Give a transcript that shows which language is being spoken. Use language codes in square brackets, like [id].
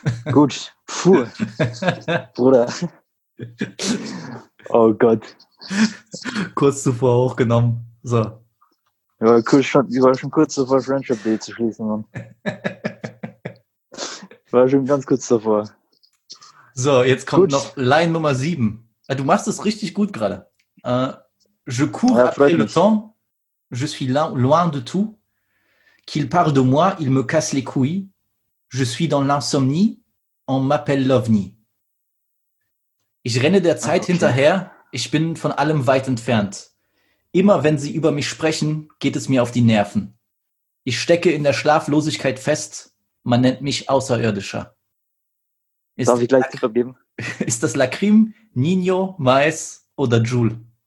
[de] Gut. Puh. Bruder. Oh Gott. Kurz zuvor hochgenommen. So. Ich war schon kurz davor, Friendship Day zu schließen, Mann. Ich war schon ganz kurz davor. So, jetzt kommt noch Line Nummer 7. Du machst es richtig gut gerade. [fr] Je cours après le temps, je suis loin de tout. Qu'il parle de moi, il me casse les couilles. Je suis dans l'insomnie, on m'appelle l'OVNI. [de] Ich renne der Zeit hinterher, ich bin von allem weit entfernt. Immer wenn sie über mich sprechen, geht es mir auf die Nerven. Ich stecke in der Schlaflosigkeit fest, man nennt mich Außerirdischer. Darf ich gleich Tipp geben? Ist das Lacrim, Nino, Mais oder Jul?